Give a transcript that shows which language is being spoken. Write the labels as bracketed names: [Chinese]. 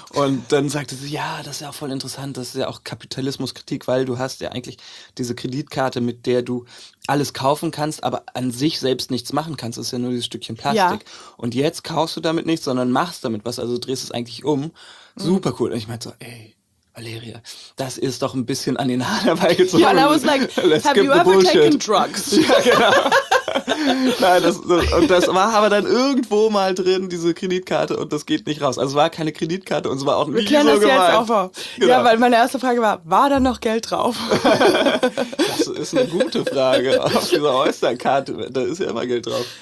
[German] Und dann sagte sie, ja, das ist ja auch voll interessant, das ist ja auch Kapitalismuskritik, weil du hast ja eigentlich diese Kreditkarte, mit der du alles kaufen kannst, aber an sich selbst nichts machen kannst. Das ist ja nur dieses Stückchen Plastik. Ja. Und jetzt kaufst du damit nichts, sondern machst damit was, also drehst es eigentlich um. Super cool. Und ich meinte so, ey, Valeria, das ist doch ein bisschen an den Haaren herbeigezogen. [English] Ja, and I was like, let's have you ever taken drugs? [German] Ja, genau. Nein, das war aber dann irgendwo mal drin, diese Kreditkarte, und das geht nicht raus. Also es war keine Kreditkarte und es war auch nicht so gemeint. Wir klären das jetzt auch vor. Genau. Ja, weil meine erste Frage war da noch Geld drauf? Das ist eine gute Frage. Auf dieser Oyster-Karte, da ist ja immer Geld drauf.